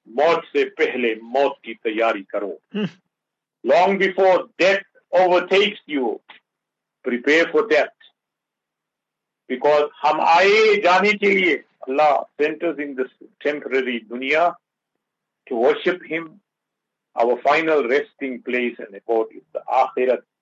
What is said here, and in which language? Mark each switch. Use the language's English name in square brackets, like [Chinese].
[Urdu] موت سے پہلے موت کی تیاری کرو. [English] Long before death overtakes you, prepare for death. Because [Urdu] ہم آئے جانے کے لیے. [English] Allah sent us in this temporary dunya to worship Him. Our final resting place and abode is the Akhirat.